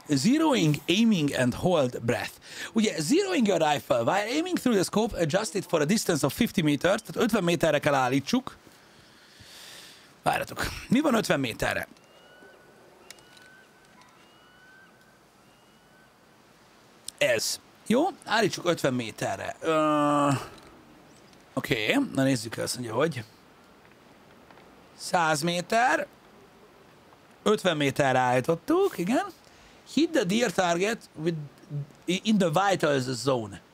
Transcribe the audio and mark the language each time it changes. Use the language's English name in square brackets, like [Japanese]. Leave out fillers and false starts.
[English] Zeroing, aiming and hold breath. Ugye, zeroing your rifle. While aiming through the scope, adjust it for a distance of 50 meters. [Hungarian] Tehát 50 méterre kell állítsuk. Várjatok. Mi van 50 méterre? Ez. Jó? Állítsuk 50 méterre. Oké. Okay. Na, nézzük el, azt mondja, hogy... 100 méter... 50 méterre állítottuk, igen. [English] Hit the deer target with, in the vitals zone.